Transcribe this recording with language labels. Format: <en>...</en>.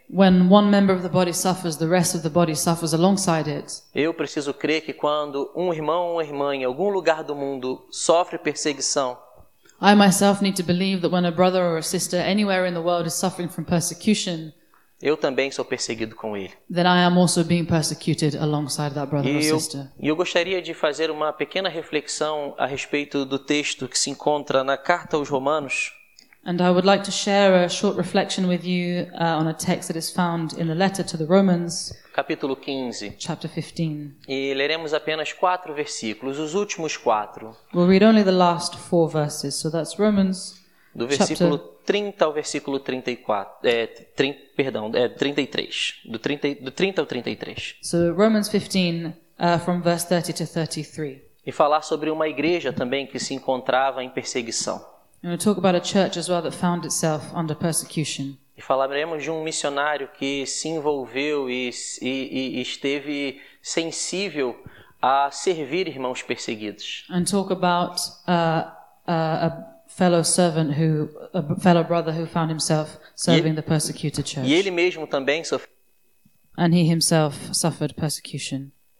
<en>When one member of the body suffers, the rest of the body suffers alongside it.</en> <pt>Eu preciso crer que quando um irmão ou uma irmã em algum lugar do mundo sofre perseguição.</pt> <en>I myself need to believe that when a brother or a sister anywhere in the world is suffering from persecution.</en> <pt>Eu também sou perseguido com ele.</pt> <en>Then I am also being persecuted alongside that brother or sister.</en> <pt>E eu gostaria de fazer uma pequena reflexão a respeito do texto que se encontra na carta aos Romanos.</pt> <en>And I would like to share a short reflection with you on a text that is found in the letter to the Romans,</en> <pt>capítulo 15.</pt> <en>Chapter 15.</en> <pt>E leremos apenas 4 versículos, os últimos 4.</pt> <en>We'll read only the last 4 verses, so that's Romans.</en> <pt>Do versículo 30 ao versículo 34, 33, do 30 ao 33.</pt> <en>So Romans 15, from verse 30 to 33.</en> <pt>E falar sobre uma igreja também que se encontrava em perseguição.</pt> <en>And we'll talk about a church as well that found itself under persecution.</en> <pt>E falaremos de um missionário que se envolveu e esteve sensível a servir irmãos perseguidos.</pt> <en>And talk about a fellow servant who a fellow brother who found himself serving the persecuted church.</en> <pt>E ele mesmo também sofreu.</pt> <en>And he himself suffered persecution.</en>